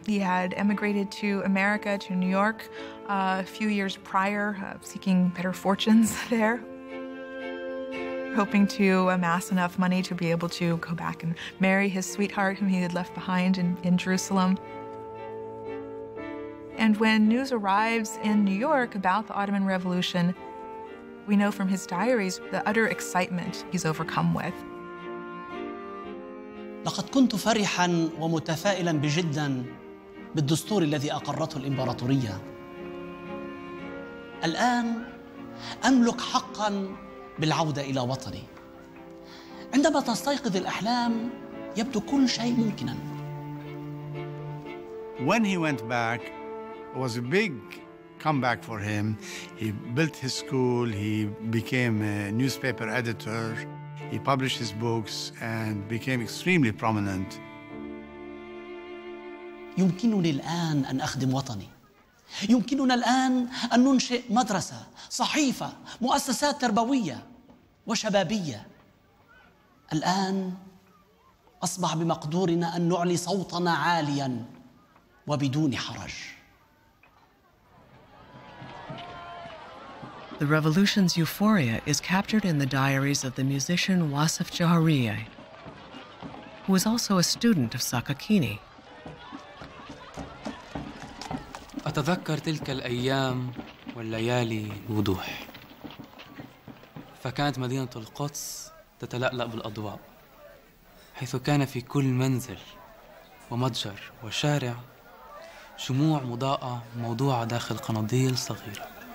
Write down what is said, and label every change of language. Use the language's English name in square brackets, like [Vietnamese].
[English] He had emigrated to America, to New York, a few years prior, seeking better fortunes there, hoping to amass enough money to be able to go back and marry his sweetheart, whom he had left behind in Jerusalem. And when news arrives in New York about the Ottoman Revolution, we know from his diaries the utter excitement he's overcome with. [Arabic] لقد كنت فرحا ومتفائلا بجدا بالدستور الذي أقرته الإمبراطورية. الآن أملك حقا بالعودة إلى وطني. عندما تستيقظ الأحلام يبدو كل شيء ممكنا. [English] When he went back, it was a big comeback for him. He built his school, he became a newspaper editor. He published his books and became extremely prominent. [Arabic] يمكنني الآن أن أخدم وطني. يمكننا الآن أن ننشئ مدرسة، صحيفة، مؤسسات تربوية وشبابية. الآن أصبح بمقدورنا أن نعلي صوتنا عاليا وبدون حرج. [English] The revolution's euphoria is captured in the diaries of the musician Wasif Jahariye, who was also a student of Sakakini. [Arabic] أتذكر تلك الأيام والليالي بوضوح. فكانت مدينة القدس تتلألأ بالأضواء، حيث كان في كل منزل ومتجر وشارع شموع مضاءة موضوعة داخل قناديل صغيرة.